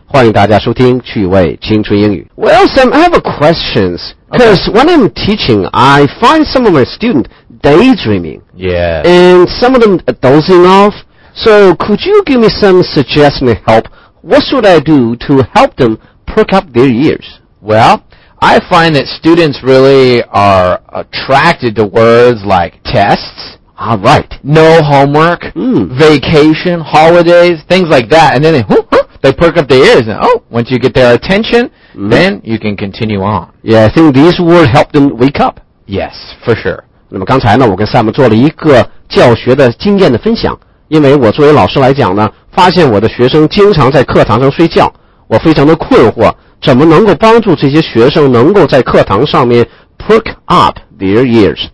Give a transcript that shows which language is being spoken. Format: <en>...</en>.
<zh>欢迎大家收听趣味青春英语。</zh> <en>Well, Sam, I have a question. Because when I'm teaching, I find some of my students daydreaming. Yeah. And some of them dozing off. So could you give me some suggestion to help? What should I do to help them perk up their ears? Well, I find that students really are attracted to words like tests. All right. No homework, vacation, holidays, things like that. And then they perk up their ears. And, oh, once you get their attention, then you can continue on. Yeah, I think these words help them wake up. Yes, for sure.</en> <zh>那么刚才呢，我跟 Sam 做了一个教学的经验的分享。因为我作为老师来讲呢，发现我的学生经常在课堂上睡觉，我非常的困惑，怎么能够帮助这些学生能够在课堂上面</zh> <en>perk up their ears.</en>